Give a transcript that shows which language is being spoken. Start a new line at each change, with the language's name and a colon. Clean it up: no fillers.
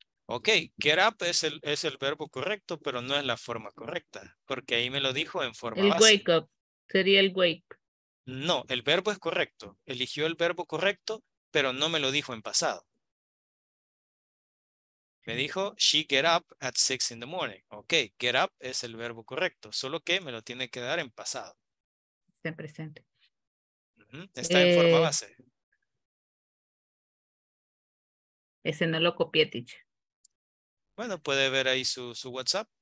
Spanish: Ok, get up es el verbo correcto, pero no es la forma correcta, porque ahí me lo dijo en forma el básica. Wake up, sería el wake. No, el verbo es correcto. Eligió el verbo correcto, pero no me lo dijo en pasado. Me dijo,
English: she get up at 6 in the morning.
Spanish: Ok, get up es el verbo correcto, solo que me lo tiene que dar en pasado. Está en presente. Uh-huh. Está en forma base. Ese no lo copié, teacher. Bueno, puede ver ahí su, su WhatsApp.